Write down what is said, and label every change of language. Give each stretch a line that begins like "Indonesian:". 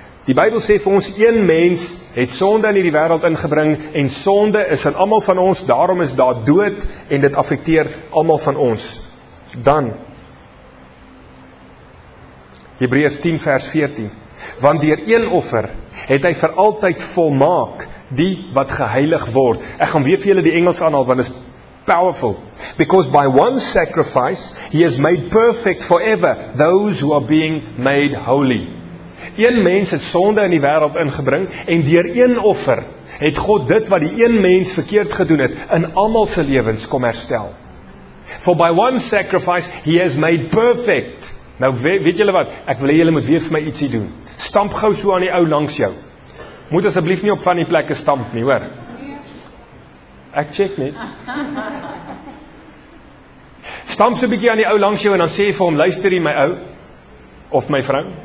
Afrikaans: Die Bybel sê vir ons een mens het sonde in hierdie wêreld ingebring en sonde is in almal van ons, daarom is daar dood en dit affekteer almal van ons. Dan Hebreërs 10 vers 14. Want deur een offer het hy vir altyd volmaak die wat geheilig word. Ek gaan weer vir julle die Engels aanhaal want is powerful.
English: Because by one sacrifice he has made perfect forever those who are being made holy.
Afrikaans: Een mens het sonde in die wêreld ingebring en deur een offer het God dit wat die een mens verkeerd gedoen het in almal se lewens kom herstel.
English: For by one sacrifice he has made perfect.
Afrikaans: Nou weet julle wat? Ek wil hê julle moet weer vir my ietsie doen. Stamp gou so aan die ou langs jou. Moet asseblief nie op van die plekke stamp nie, hoor. Ek check net. Stamp so 'n bietjie aan die ou langs jou en dan sê jy vir hom, luister hier my ou of my vrou.